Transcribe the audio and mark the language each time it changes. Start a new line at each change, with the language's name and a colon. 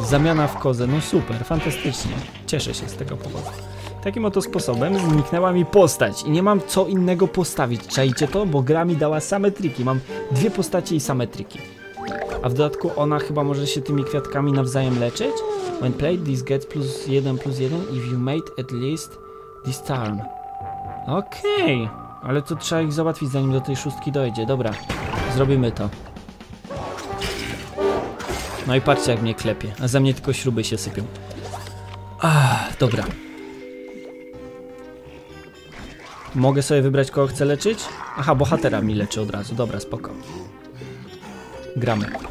Polish: Zamiana w kozę, no super, fantastycznie. Cieszę się z tego powodu. Takim oto sposobem zniknęła mi postać i nie mam co innego postawić. Czajcie to, bo gra mi dała same triki. Mam dwie postacie i same triki. A w dodatku ona chyba może się tymi kwiatkami nawzajem leczyć?
English: When played, this gets +1/+1 if you made at least this turn. Okej, okay.
Polish: Ale to trzeba ich załatwić zanim do tej szóstki dojdzie. Dobra, zrobimy to. No i patrzcie jak mnie klepie, a za mnie tylko śruby się sypią. Ah, dobra. Mogę sobie wybrać kogo chcę leczyć? Aha, bohatera mi leczy od razu, dobra, spoko. Gramy.